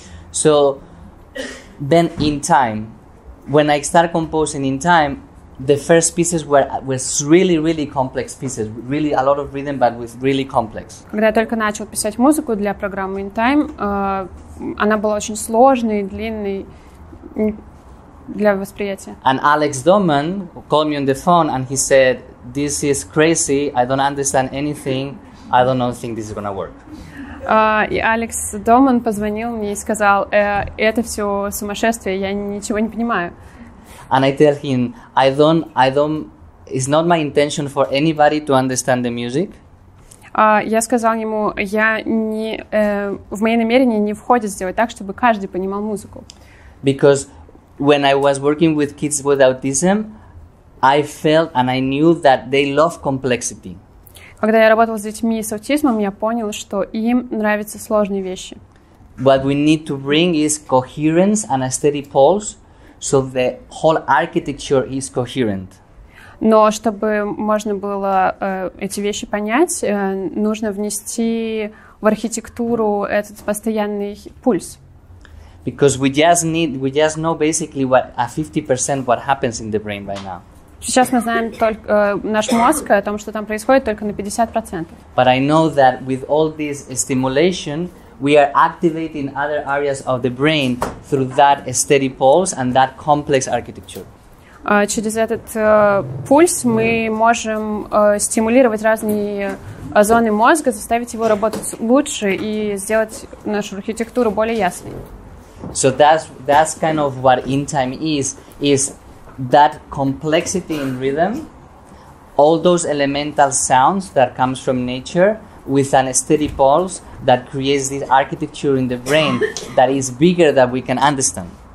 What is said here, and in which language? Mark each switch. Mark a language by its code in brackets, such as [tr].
[en] So then in time, when I start composing in time, the first pieces were really, really complex pieces. Really a lot of rhythm, but with really complex. [ru] Когда я только начал писать музыку для программы In Time, она была очень сложной, длинной для восприятия. [en] And Alex Doman called me on the phone and he said, "This is crazy. I don't understand anything. I don't know think this is gonna work." [ru] И Алекс Доман позвонил мне и сказал, "Это все сумасшествие. Я ничего не понимаю." [en] And I tell him, I don't, it's not my intention for anybody to understand the music. [ru] Я сказал ему, я не, в мои намерения не входит сделать так, чтобы каждый понимал музыку. [en] Because when I was working with kids with autism, I felt and I knew that they love complexity. [ru] Когда я работал с детьми с аутизмом, я понял, что им нравятся сложные вещи. [en] What we need to bring is coherence and a steady pulse. So the whole architecture is coherent. [ru] Но чтобы можно было эти вещи понять, нужно внести в архитектуру этот постоянный пульс. [en] Because we just know basically what a 50% what happens in the brain right now. [ru] Сейчас мы знаем только наш мозг о том, что там происходит, только на 50%. [en] But I know that with all this stimulation, we are activating other areas of the brain through that steady pulse and that complex architecture. [ru] Через этот пульс мы можем стимулировать разные зоны мозга, заставить его работать лучше и сделать нашу архитектуру более ясной. [en] So that's kind of what In Time is that complexity in rhythm, all those elemental sounds that comes from nature, with an steady pulse that creates this architecture in the brain that is bigger than we can understand.